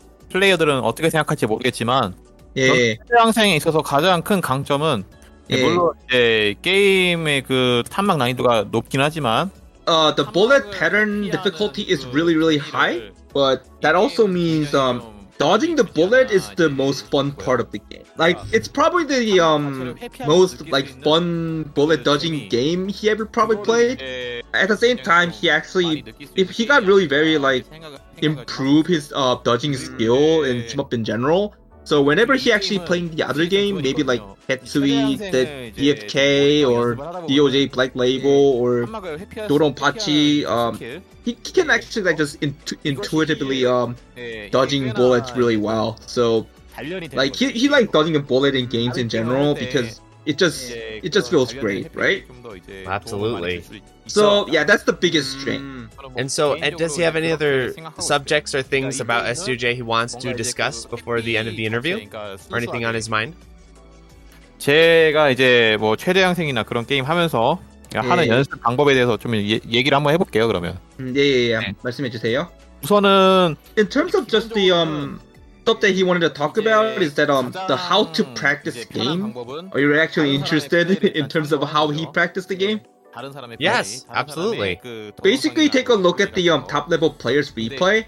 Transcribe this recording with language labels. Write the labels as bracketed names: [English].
[Korean] 플레이어들은 어떻게 생각할지 모르겠지만 예. 현상에 있어서 가장 큰 강점은 예. 물론 이제 게임의 그 탐막 난이도가 높긴 하지만 [English] the bullet pattern difficulty is really really high but that also means dodging the bullet is the most fun part of the game. Like it's probably the most like fun bullet dodging game he ever probably played. At the same time he actually if he got really very like improve his dodging skill in shmup in general. So whenever he actually playing the other game, maybe like Hetsui, the DFK, or DOJ Black Label, or Dodonpachi, he can actually like just intuitively dodging bullets really well. So like he like dodging a bullet in games in general because it just feels great, right? Absolutely. So yeah, that's the biggest strength. And so, Ed, does he have any other subjects or things about SDOJ he wants to discuss before the end of the interview? Or anything on his mind? [Korean] 제가 이제 뭐 최대양생이나 그런 게임 하면서 [English] yeah. [Korean] 하는 연습 방법에 대해서 좀 얘기를 한번 해볼게요, 그러면. 예, 예, 예. 말씀해 주세요. 우선은... [English] In terms of just the stuff that he wanted to talk about is that the how to practice game. Are you actually interested in terms of how he practiced the game? [Korean] 다른 사람의 [English] yes, [Korean] 플레이. [English] Yes, absolutely. 그 basically take a look at the top level player's replay.